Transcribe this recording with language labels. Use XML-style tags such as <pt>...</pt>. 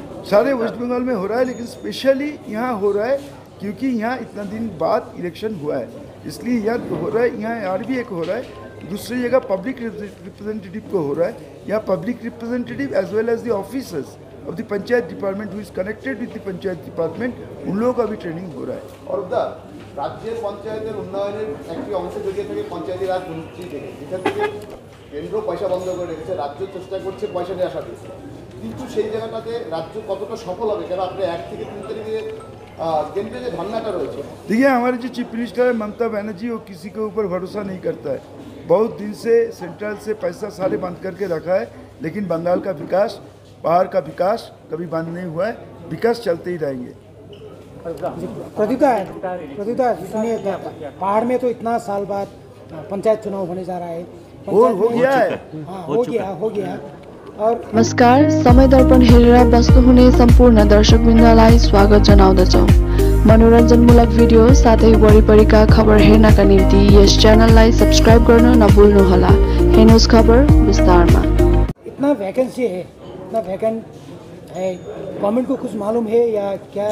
<hi>सारे वेस्ट बंगाल में हो रहा है, लेकिन स्पेशली यहाँ हो रहा है, क्योंकि यहाँ इतना दिन बाद इलेक्शन हुआ है, इसलिए यहाँ हो रहा है, यहाँ आर भी एक हो रहा है, दूसरी जगह पब्लिक रिप्रेजेंटेटिव को हो रहा है, यहाँ public representative</hi> <en>as well as the officers of the panchayat department</en> <hi>who is connected with the panchayat department, उन लोगों का भी ट्रेनिंग हो रहा है। और राज्य पंचायत</hi> <bn>উন্নয়নের একটি অংশ যদি থাকে পঞ্চায়েত রাজ মন্ত্রী কেন্দ্র পয়সা বন্ধ করে রেখেছে, রাজ্য চেষ্টা করছে পয়সা নিয়ে আসার, কিন্তু সেই জায়গাটাতে রাজ্য কতটা সফল হবে, কারণ আপনি 1-3 তারিখে</bn> <hi>देखिए हमारे जो चीफ मिनिस्टर है ममता बनर्जी, वो किसी के ऊपर भरोसा नहीं करता है, बहुत दिन से सेंट्रल से पैसा सारे बंद करके रखा है, लेकिन बंगाल का विकास, बाहर का विकास कभी बंद नहीं हुआ है, विकास चलते ही रहेंगे। प्रदीता सुनिए, बाहर में तो इतना साल बाद पंचायत चुनाव होने जा रहा है, हो गया।</hi> <ne>नमस्कार, समय दर्पण हेरेर बस्नुहुने सम्पूर्ण दर्शकवृन्दलाई स्वागत जनाउँदछौँ। मनोरञ्जनमूलक भिडियो साथै वरिपरिका खबर हेर्नका निम्ति यस च्यानललाई सब्स्क्राइब गर्न नभुल्नु होला। हेर्नुहोस् खबर विस्तारमा।</ne> <hi>इतना वैकेंसी है, इतना वैकेंट है, गभर्नमेन्टको कुछ मालूम है या क्या?</hi>